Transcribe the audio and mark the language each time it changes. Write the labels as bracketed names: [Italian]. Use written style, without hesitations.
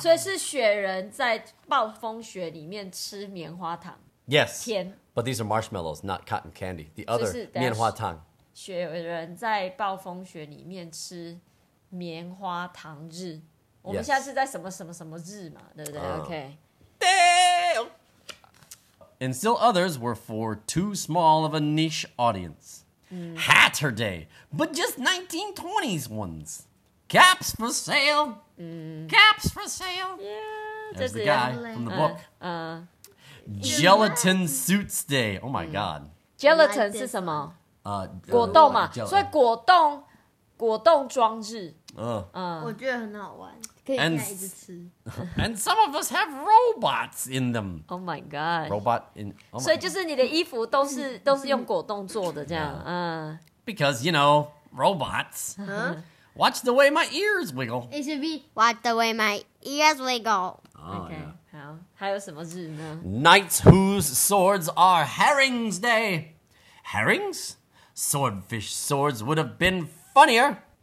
[Chinese] 所以是雪人在暴风雪里面吃棉花糖。 [English] Yes, but these are marshmallows, not cotton candy. The other, 棉花糖. [Chinese] 雪人在暴风雪里面吃棉花糖日. 我们现在是在什么什么什么日嘛, 对不对? [English] Okay. Damn! And still others were for too small of a niche audience. Hatter Day, but just 1920s ones. Caps for sale! Caps for sale! Yeah, there's the guy from the book. Gelatin Suits Day. Oh my god. [Chinese] Gelatin 是什么? 果冻嘛.所以果冻装置. 我觉得很好玩。 [English] And some of us have robots in them. Oh my god. Robot in... [Chinese] Oh 所以就是你的衣服都是用果冻做的这样。 [English] Because, you know, robots. Watch the way my ears wiggle. It should be, watch the way my ears wiggle. Oh, okay. Yeah. [Chinese] 还有什么日呢? [English] Knights whose swords are herrings day. Herrings? Swordfish swords would have been funnier.